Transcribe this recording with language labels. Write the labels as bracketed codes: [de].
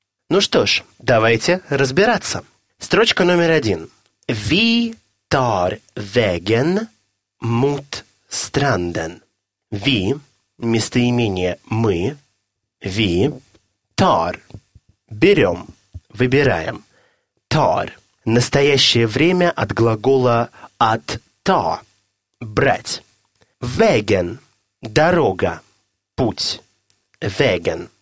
[ru] Ну что ж, давайте разбираться. Строчка номер один. [sv] Vi tar vägen mot stranden. [ru] Vi, местоимение мы. [sv] Vi tar. [ru] Берем, выбираем. Tar. Настоящее время от глагола at ta. Брать. Vägen. Дорога. Путь. Vägen.